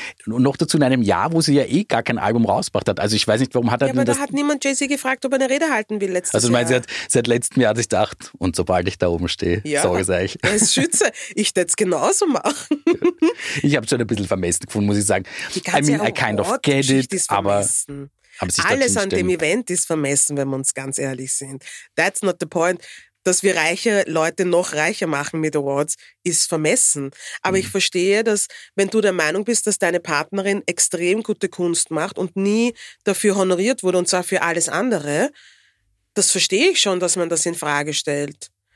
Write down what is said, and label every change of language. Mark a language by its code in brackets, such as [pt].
[de] Und noch dazu in einem Jahr, wo sie ja eh gar kein Album rausgebracht hat. Also ich weiß nicht, warum hat er denn das... Ja, aber da hat niemand Jay-Z gefragt, ob er eine Rede halten will letztes Jahr. Also ich meine, seit letztem Jahr hat sich gedacht, und sobald ich da oben stehe, ja, sage es euch. Als Schütze, ich würde es genauso machen. Ich habe es schon ein bisschen vermessen gefunden, muss ich sagen. [en] I mean, I kind of get it, aber... [de] Alles an dem Event ist vermessen, wenn wir uns ganz ehrlich sind. [en] That's not the point. [de] Dass wir reiche Leute noch reicher machen mit Awards, ist vermessen. Aber ich verstehe, dass wenn du der Meinung bist, dass deine Partnerin extrem gute Kunst macht und nie dafür honoriert wurde, und zwar für alles andere, das verstehe ich schon, dass man das in Frage stellt.